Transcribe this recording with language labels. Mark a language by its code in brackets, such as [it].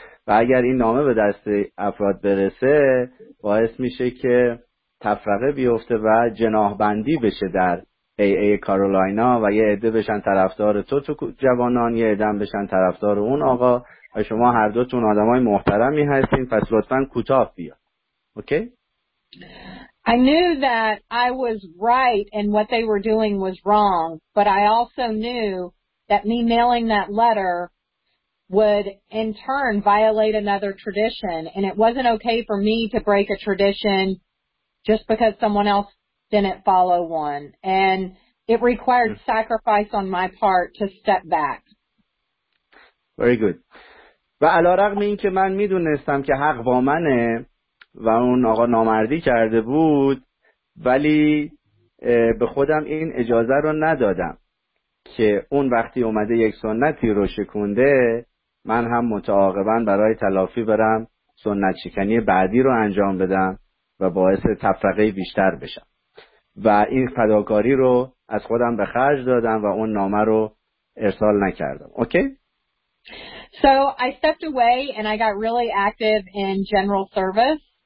[fa] و اگر این نامه به دست افراد برسه باعث میشه که تفرقه بیفته و جناح بندی بشه در AA کارولاینا و یه عده بشن طرفدار تو جوانان، یه عده بشن طرفدار اون آقا، و شما هر دوتون آدمای محترمی هستین، پس لطفاً کوتاه بیاد. اوکی؟ [en] I knew that I was right and what they were doing was wrong, but I also knew that me mailing that letter would in turn violate another tradition, and it wasn't okay for me to break a tradition just because someone else didn't follow one, and it required sacrifice on my part to step back. Very good. [fa] و علی رغم این که من میدونستم که حق با منه و اون آقا نامردی کرده بود، ولی به خودم این اجازه رو ندادم که اون وقتی اومده یک سنتی رو شکونده، من هم متعاقباً برای تلافی برم سنت شکنی بعدی رو انجام بدم و باعث تفرقه بیشتر بشم، و این فداکاری رو از خودم به خرج دادم و اون نامه رو ارسال نکردم. اوکی؟ [en] So I stepped away and I got really active in general service.